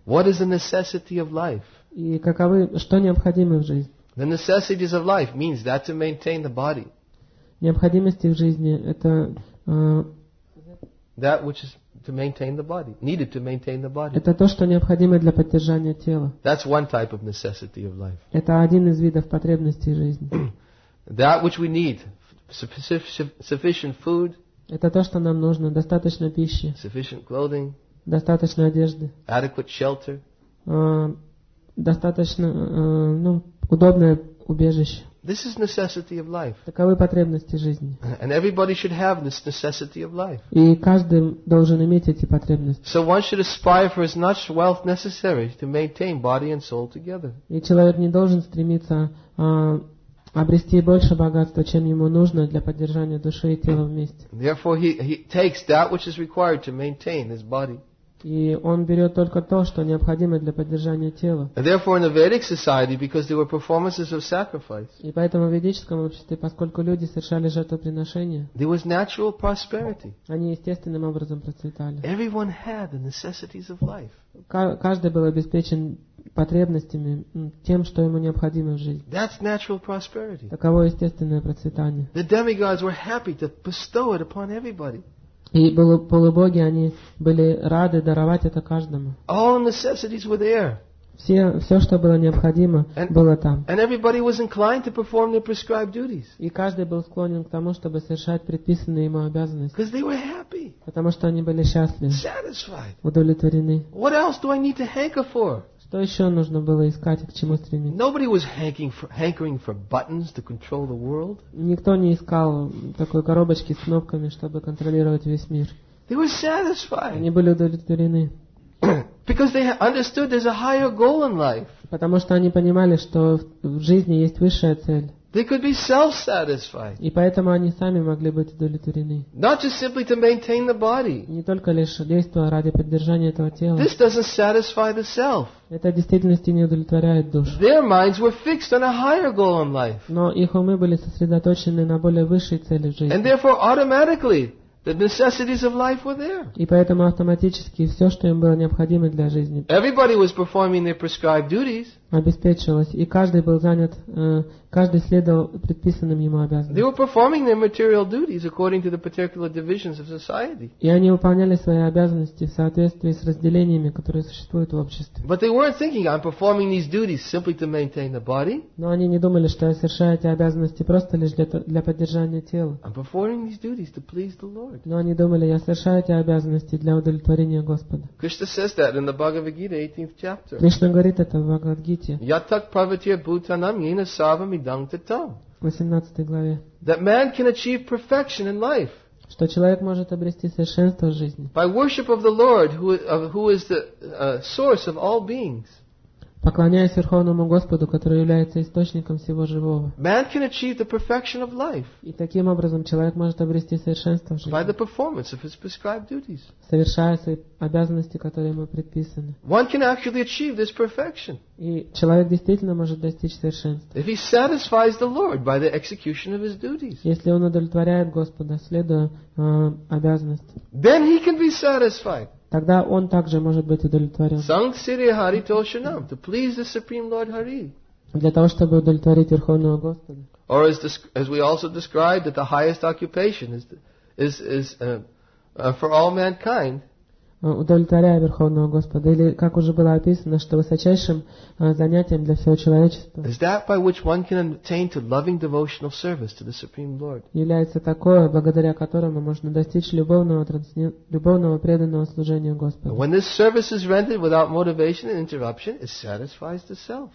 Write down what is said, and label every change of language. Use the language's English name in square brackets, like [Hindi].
[English] What is the necessity of life? [Russian] И каковы, что необходимо в жизни? [English] The necessities of life means that to maintain the body. [Russian] Необходимости в жизни это. [English] That which is to maintain the body, needed to maintain the body. [Russian] Это то, что необходимо для поддержания тела. [English] That's one type of necessity of life. [Russian] Это один из видов потребностей жизни. [English] That which we need, sufficient food. [Russian] Это то, что нам нужно, достаточно пищи. [English] Sufficient clothing. [Russian] Достаточно одежды. [English] Adequate shelter. [Russian] Удобное убежище. [English] This is necessity of life. [Russian] Таковы потребности жизни. [English] And everybody should have this necessity of life. [Russian] И каждый должен иметь эти потребности. [English] So one should aspire for as much wealth necessary to maintain body and soul together. [Russian] И человек не должен стремиться обрести больше богатства, чем ему нужно для поддержания души и тела вместе. [English] Therefore he takes that which is required to maintain his body. [Russian] И он берет только то, что необходимо для поддержания тела. [English] And therefore in the Vedic society, because there were performances of sacrifice. [Russian] И поэтому в ведическом обществе, поскольку люди совершали жертвоприношения, [English] there was natural prosperity. [Russian] Они естественным образом процветали. [English] Everyone had the necessities of life. [Russian] Каждый был обеспечен потребностями, тем, что ему необходимо в жизни. [English] That's natural prosperity. [Russian] Таково естественное процветание. [English] The demigods were happy to bestow it upon everybody. [Russian] И полубоги, они были рады даровать это каждому. [English] All necessities were there. [Russian] Все, что было необходимо, было там. [English] And everybody was inclined to perform their prescribed duties. [Russian] И каждый был склонен к тому, чтобы совершать предписанные ему обязанности. [English] Because they were happy. [Russian] Потому что они были счастливы. [English] Satisfied. [Russian] Удовлетворены. [English] What else do I need to hanker for? [Russian] Что еще нужно было искать и к чему стремиться? [English] Nobody was hankering for buttons to control the world. [Russian] Никто не искал такой коробочки с кнопками, чтобы контролировать весь мир. [English] They were satisfied. [Russian] Они были удовлетворены. [English] Because they understood there's a higher goal in life. [Russian] Потому что они понимали, что в жизни есть высшая цель. [English] They could be self-satisfied. [Russian] И поэтому они сами могли быть удовлетворены. [English] Not just simply to maintain the body. [Russian] Не только лишь действовать ради поддержания этого тела. [English] This doesn't satisfy the self. [Russian] Это в действительности не удовлетворяет душу. [English] Their minds were fixed on a higher goal in life. [Russian] Но их умы были сосредоточены на более высшей цели в жизни. [English] And therefore, automatically. The necessities of life were there. [Russian] И поэтому автоматически все, что им было необходимо для жизни. [English] Everybody was performing their prescribed duties. [Russian] Обеспечивалось, и каждый был занят, каждый следовал предписанным ему обязанностям. [English] They were performing their material duties according to the particular divisions of society. [Russian] И они выполняли свои обязанности в соответствии с разделениями, которые существуют в обществе. [English] But they weren't thinking, I'm performing these duties simply to maintain the body. [Russian] Но они не думали, что я совершаю эти обязанности просто лишь для поддержания тела. [English] I'm performing these duties to please the Lord. [Russian] Но они думали, я совершаю эти обязанности для удовлетворения Господа. [English] Krishna says that in the Bhagavad Gita, 18th chapter. [Russian] Кришна говорит это в Бхагавад-гите. [Sanskrit] Yatak pravatir bhutanam yena sarvam idam tatam. [Russian] 18 главе. [English] That man can achieve perfection in life. [Russian] Что человек может обрести совершенство в жизни. [English] By worship of the Lord, who is the source of all beings. [Russian] Поклоняясь Верховному Господу, который является источником всего живого. [English] Man can achieve the perfection of life. [Russian] И таким образом человек может обрести совершенство в жизни. [English] By the performance of his prescribed duties. [Russian] Совершая свои обязанности, которые ему предписаны. [English] One can actually achieve this perfection. [Russian] И человек действительно может достичь совершенства. [English] If he satisfies the Lord by the execution of his duties. [Russian] Если он удовлетворяет Господа, следуя обязанностям. [English] Then he can be satisfied. [Russian] Тогда он также может быть удовлетворен. [Sanskrit] Sang Siri Hari Toshanam, [English] to please the Supreme Lord Hari. [Russian] Для того, чтобы удовлетворить Верховного Господа. [English] Or as we also described, that the highest occupation is for all mankind. [Russian] Удовлетворяя Верховного Господа. Или, как уже было описано, что высочайшим занятием для всего человечества. [English] Is that by which one can attain to loving devotional service to the Supreme Lord. [Russian] Является такое, благодаря которому можно достичь любовного преданного служения Господу. [English] When this service is rendered without motivation and interruption, it satisfies the self.